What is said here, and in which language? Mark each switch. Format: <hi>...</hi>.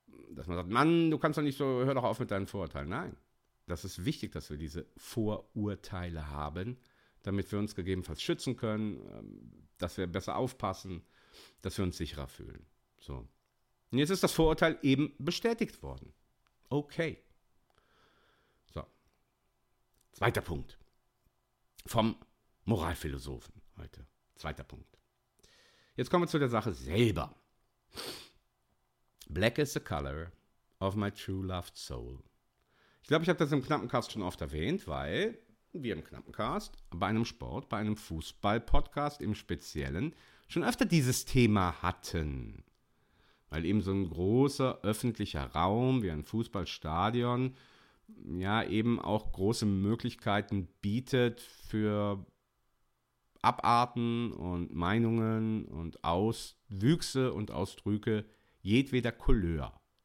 <de>Dass man sagt, Mann, du kannst doch nicht so, hör doch auf mit deinen Vorurteilen. Nein. Das ist wichtig, dass wir diese Vorurteile haben, damit wir uns gegebenenfalls schützen können, dass wir besser aufpassen, dass wir uns sicherer fühlen. So. Und jetzt ist das Vorurteil eben bestätigt worden. Okay. So. Zweiter Punkt. Vom Moralphilosophen heute. Zweiter Punkt. Jetzt kommen wir zu der Sache selber.</de> <en>Black is the color of my true loved soul.</en> <de>Ich glaube, ich habe das im Knappencast schon oft erwähnt, weil wir im Knappencast bei einem Sport, bei einem Fußball-Podcast im Speziellen schon öfter dieses Thema hatten, weil eben so ein großer öffentlicher Raum wie ein Fußballstadion ja eben auch große Möglichkeiten bietet für Abarten und Meinungen und Auswüchse und Ausdrücke jedweder Couleur.</de>